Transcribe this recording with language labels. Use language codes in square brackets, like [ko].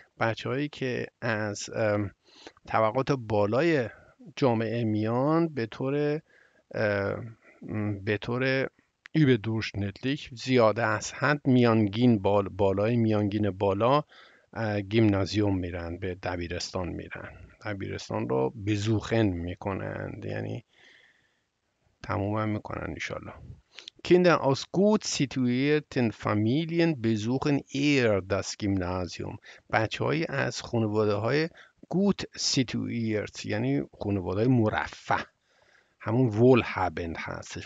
[fa] بچه هایی که از طبقات بالای جامعه میان به طور überdurchschnittlich زیاده از حد بالای میانگین بالا گیمنازیوم میرن، به دبیرستان میرن، دبیرستان رو بزوخن میکنند، یعنی تموم هم میکنن انشالله. [de] Kinder aus gut situierten Familien besuchen eher das Gymnasium. [fa] بچه‌های از خانواده‌های [de] gut situiert، [fa] یعنی خانواده‌های مرفه، همون wohlhabend هستش.